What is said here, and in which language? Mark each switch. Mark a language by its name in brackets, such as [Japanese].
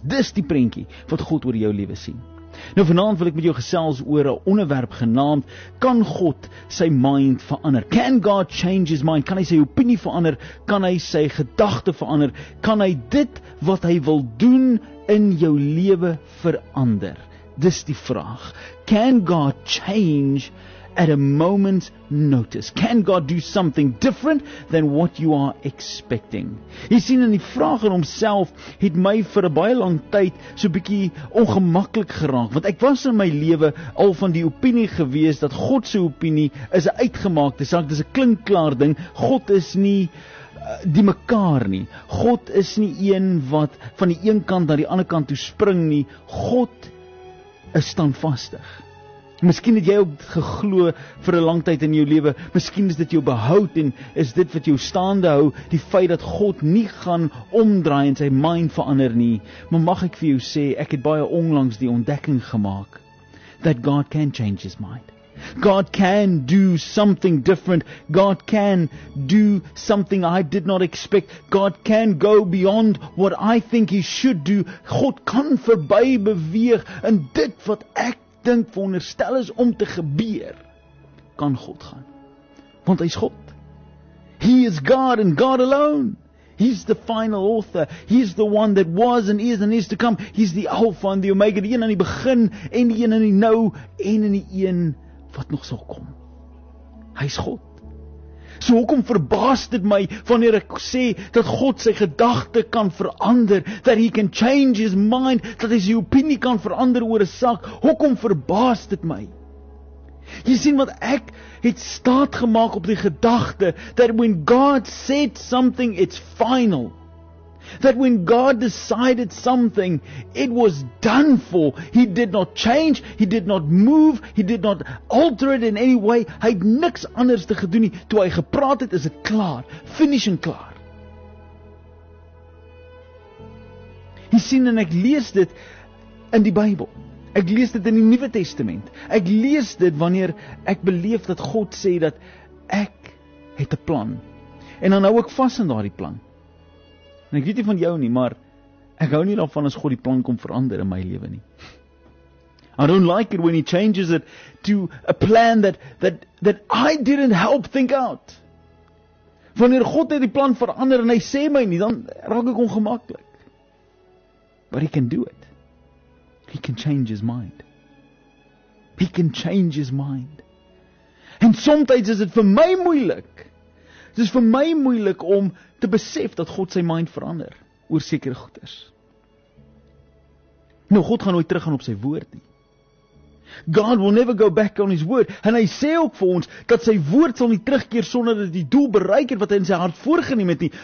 [Afrikaans] Dis die prentjie wat God oor jou lewe sien. Nou vanaand wil ek met jou gesels oor 'n onderwerp genaamd, kan God sy mind verander? [English] Can God change his mind? [Afrikaans] Kan hy sy opinie verander? Kan hy sy gedagte verander? Kan hy dit wat hy wil doen in jou lewe verander? Dis die vraag. [English] Can God change at a moment's notice? Can God do something different than what you are expecting? [Afrikaans] Jy sien, in die vraag in homself het my vir 'n baie lang tyd so bietjie ongemaklik geraak, want ek was in my lewe al van die opinie gewees dat God se opinie is 'n uitgemaakte saak, dis 'n klinkklaar ding. God is nie die mekaar nie. God is nie een wat van die een kant na die ander kant toe spring nie. God is standvastig. Miskien het jy ook geglo vir 'n lang tyd in jou lewe, miskien is dit jou behoud en is dit wat jou staande hou, die feit dat God nie gaan omdraai en sy mind verander nie. Maar mag ek vir jou sê, ek het baie onlangs die ontdekking gemaak [English] that God can change his mind. God can do something different. God can do something I did not expect. God can go beyond what I think he should do. [Afrikaans] God kan verby beweeg in dit wat ek dink veronderstel is om te gebeur. Kan God gaan? Want hy is God. [English] He is God and God alone. He's the final author. He's the one that was and is to come. He's the Alpha and the Omega, [Afrikaans] die een aan die begin en die een aan die nou en in die een wat nog sal kom. Hy is God. So hoekom verbaas dit my wanneer ek sê dat God sy gedagte kan verander, [English] that he can change his mind, [Afrikaans] dat hy sy opinie kan verander oor 'n saak? Hoekom verbaas dit my? Jy sien, wat ek het staat gemaak op die gedagte [English] that when God said something, it's final. That when God decided something, it was done for. He did not change, he did not move, he did not alter it in any way. [Afrikaans] Hy het niks anders te gedoen nie. Toe hy gepraat het, is het klaar. Finish en klaar. Jy sien, en ek lees dit in die Bybel. Ek lees dit in die Nuwe Testament. Ek lees dit wanneer ek beleef dat God sê dat ek het 'n plan. En dan hou ek vas in daardie plan. En ek weet nie van jou nie, maar ek hou nie daarvan as God die plan kom verander in my lewe nie. [English] I don't like it when he changes it to a plan that I didn't help think out. [Afrikaans] Wanneer God het die plan verander en hy sê my nie, dan raak ek ongemaklik. [English] But he can do it. He can change his mind. He can change his mind. [Afrikaans] En soms is dit vir my moeilik. Dit is vir my moeilik om te besef dat God sy mind verander oor sekere goeders. Nou, God gaan nooit teruggaan op sy woord nie. [English] God will never go back on his word. [Afrikaans] En hy sê ook vir ons dat sy woord sal nie terugkeer sonder dat hy die doel bereik het wat hy in sy hart voorgeneem het nie.